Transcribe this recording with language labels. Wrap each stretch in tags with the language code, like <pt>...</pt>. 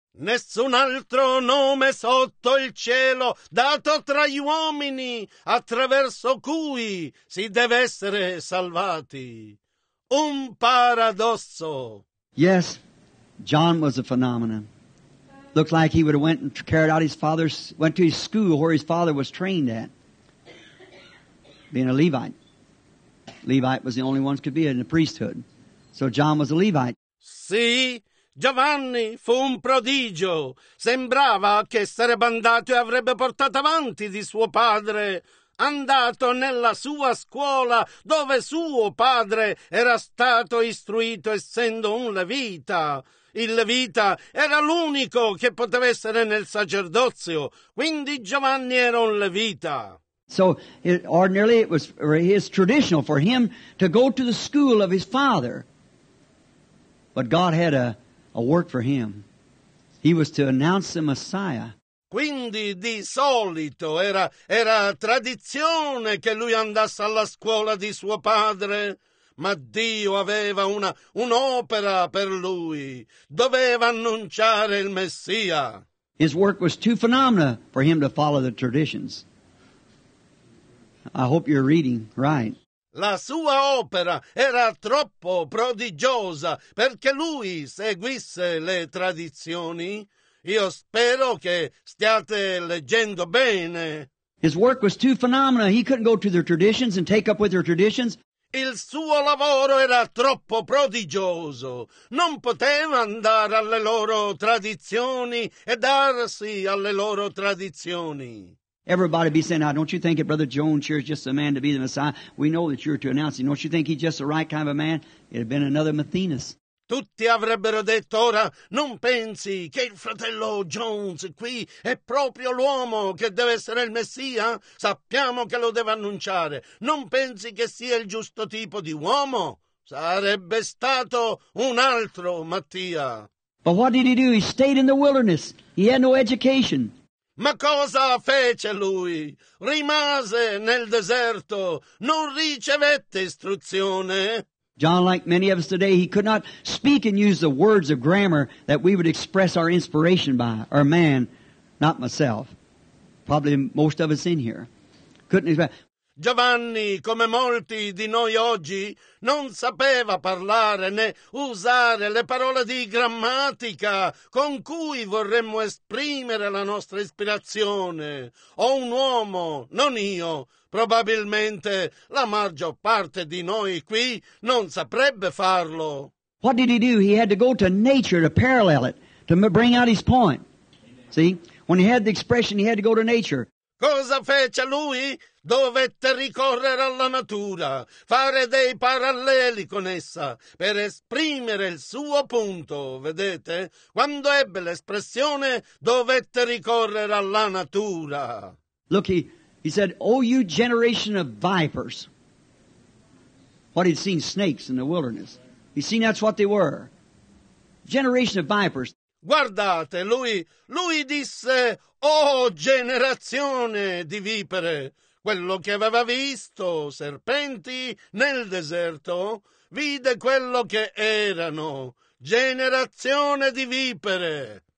<it>Nessun altro nome sotto il cielo dato tra gli uomini attraverso cui si deve essere salvati. Un paradosso.</it> <en>Yes, John was a phenomenon. Looked like he would have went and carried out his father's, went to his school where his father was trained at, being a Levite. Levite was the only ones could be in the priesthood. So John was a Levite.</en> <it>Sì. Giovanni fu un prodigio. Sembrava che sarebbe andato e avrebbe portato avanti di suo padre, andato nella sua scuola dove suo padre era stato istruito essendo un levita. Il levita era l'unico che poteva essere nel sacerdozio, quindi Giovanni era un levita.</it> <en>So ordinarily it was his traditional for him to go to the school of his father. But God had a work for him. He was to announce the Messiah.</en> <it>Quindi di solito era tradizione che lui andasse alla scuola di suo padre, ma Dio aveva un'opera per lui. Doveva annunciare il Messia.</it> <en>His work was too phenomenal for him to follow the traditions. I hope you're reading right.</en> <it>La sua opera era troppo prodigiosa perché lui seguisse le tradizioni. Io spero che stiate leggendo bene.</it> <en>His work was too phenomenal. He couldn't go to their traditions and take up with their traditions.</en> <it>Il suo lavoro era troppo prodigioso. Non poteva andare alle loro tradizioni e darsi alle loro tradizioni.</it> <en>Everybody be saying, now, don't you think that Brother Jones here is just a man to be the Messiah? We know that you're to announce him. Don't you think he's just the right kind of a man? It'd have been another Mathenas.</en> <it>Tutti avrebbero detto ora, non pensi che il fratello Jones qui è proprio l'uomo che deve essere il Messia? Sappiamo che lo deve annunciare. Non pensi che sia il giusto tipo di uomo? Sarebbe stato un altro Mattia.</it> <en>But what did he do? He stayed in the wilderness. He had no education.</en> <it>Ma cosa fece lui? Rimase nel deserto, non ricevette istruzione.</it> <en>John, like many of us today, he could not speak and use the words of grammar that we would express our inspiration by, our man, not myself. Probably most of us in here. Couldn't express.</en> <it>Giovanni, come molti di noi oggi, non sapeva parlare né usare le parole di grammatica con cui vorremmo esprimere la nostra ispirazione. O un uomo, non io, probabilmente la maggior parte di noi qui non saprebbe farlo.</it> <en>What did he do? He had to go to nature to parallel it, to bring out his point. See? When he had the expression, he had to go to nature.</en> <it>Cosa fece lui? Dovette ricorrere alla natura, fare dei paralleli con essa, per esprimere il suo punto, vedete? Quando ebbe l'espressione, dovette ricorrere alla natura.</it> <en>Look, he said, O you generation of vipers. What he'd seen, snakes in the wilderness. He'd seen that's what they were. Generation of vipers.</en> <it>Guardate, lui disse, oh generazione di vipere, quello che aveva visto, serpenti nel deserto, vide quello che erano, generazione di vipere.</it>